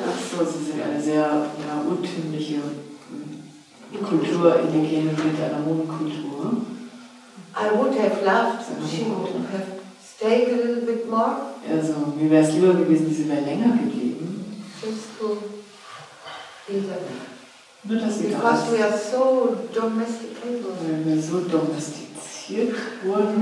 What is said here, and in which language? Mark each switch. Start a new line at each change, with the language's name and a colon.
German: So, sie sind eine sehr urtümliche Kultur, indigene mit einer hohen Kultur.
English: I would have loved, she would have stayed a little bit more.
German: Also, mir wäre es lieber gewesen, sie wäre länger geblieben.
English: Just to be the... Because we are so domesticated.
German: Weil wir so domestiziert wurden.